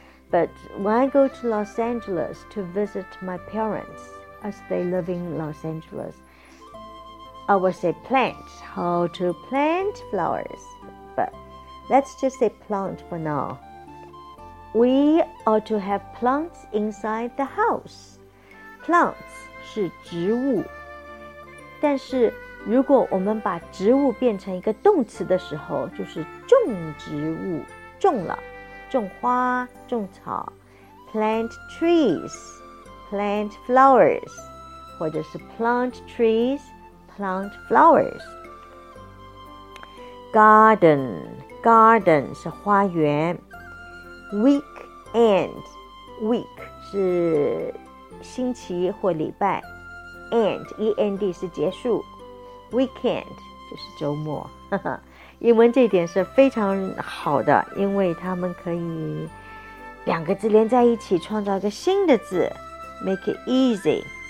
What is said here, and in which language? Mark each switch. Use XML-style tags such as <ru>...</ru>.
<en>But when I go to Los Angeles to visit my parents, as they live in Los Angeles, I will say plant, how to plant flowers. But let's just say plant for now. We are to have plants inside the house.</en> <zh>Plants 是植物。但是如果我们把植物变成一个动词的时候，就是种植物，种了。种花，种草</zh> <en>，plant trees, plant flowers,</en> <zh>或者是</zh> <en>plant trees, plant flowers.</en> <zh>Garden, garden 是花园。 Weekend, week 是星期或礼拜 ，end, end 是结束。 Weekend 就是周末。英文这一点是非常好的，因为他们可以两个字连在一起创造一个新的字 ，</zh> <en>make it easy.</en>